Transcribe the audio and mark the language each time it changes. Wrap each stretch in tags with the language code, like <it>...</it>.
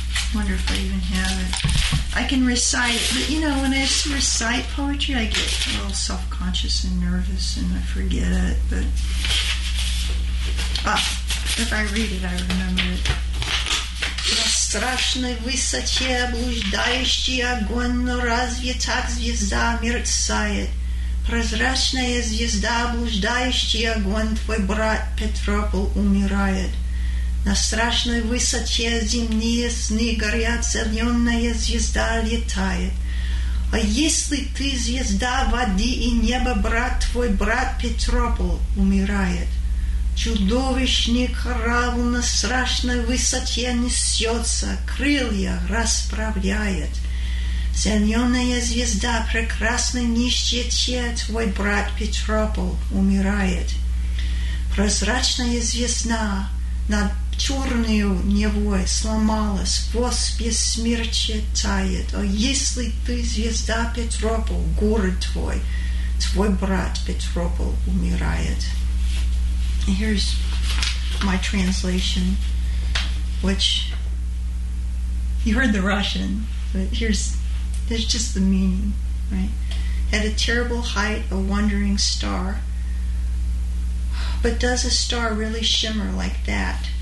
<en>I wonder if I even have it. I can recite it, but you know, when I recite poetry, I get a little self-conscious and nervous, and I forget it. But if I read it, I remember it.</en> <ru>Страшной высоте блуждающий огонь, но разве так звезда мерцает? Прозрачная звезда, блуждающий огонь, твой брат Петропол умирает. На страшной высоте земные сны горят, зеленая звезда летает. А если ты звезда воды и неба, брат твой, брат Петропол, умирает. Чудовищный корабль на страшной высоте несется, крылья расправляет. Зеленая звезда прекрасной нищете, твой брат Петропол, умирает. Прозрачная звезда над черною невой сломалась, восп без смерти тает. А если ты звезда Петропол, город твой, твой брат Петропол умирает.</ru> <en>Here's my translation, which you heard the Russian, but here's just the meaning, right? At a terrible height, a wandering star. But does a star really shimmer like that?</en>